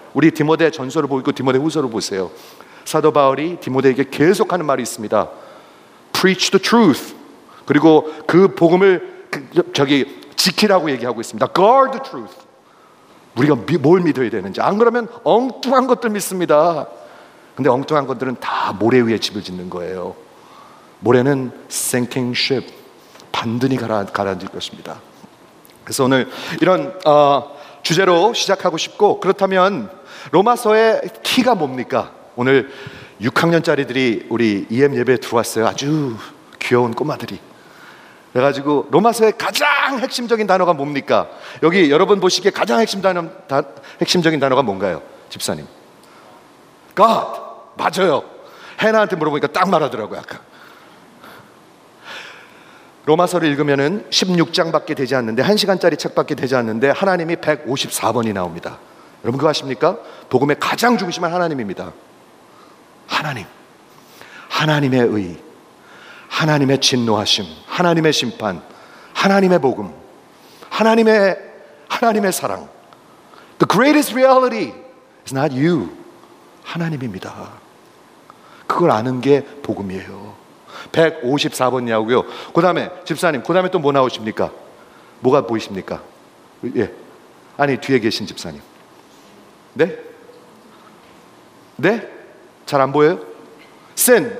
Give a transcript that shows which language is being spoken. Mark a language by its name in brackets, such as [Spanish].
[Korean] 우리 디모데 전서를 보고 디모데 후서를 보세요. 사도 바울이 디모데에게 계속하는 말이 있습니다. [English] Preach the truth. [Korean] 그리고 그 복음을 지키라고 얘기하고 있습니다. [English] Guard the truth. [Korean] 우리가 뭘 믿어야 되는지. 안 그러면 엉뚱한 것들 믿습니다. 근데 엉뚱한 것들은 다 모래 위에 집을 짓는 거예요. 모래는 [English] sinking ship. [Korean] 반드니 가라앉을 것입니다. 그래서 오늘 이런 주제로 시작하고 싶고, 그렇다면 로마서의 키가 뭡니까? 오늘 6학년짜리들이 우리 EM 예배에 들어왔어요. 아주 귀여운 꼬마들이. 그래가지고 로마서의 가장 핵심적인 단어가 뭡니까? 여기 여러분 보시기에 가장 핵심적인 단어가 뭔가요? 집사님. God. 맞아요. 해나한테 물어보니까 딱 말하더라고요. 아까. 로마서를 읽으면은 16장밖에 되지 않는데, 1시간짜리 책밖에 되지 않는데 하나님이 154번이 나옵니다. 여러분 그거 아십니까? 복음의 가장 중심한 하나님입니다. 하나님, 하나님의 의, 하나님의 진노하심, 하나님의 심판, 하나님의 복음, 하나님의 사랑. [English] The greatest reality is not you. [Korean] 하나님입니다. 그걸 아는 게 복음이에요. 154번이냐고요. 그 다음에 집사님, 그 다음에 또 뭐 나오십니까? 뭐가 보이십니까? 예, 아니 뒤에 계신 집사님. 네? 네? 잘 안 보여요? Sin.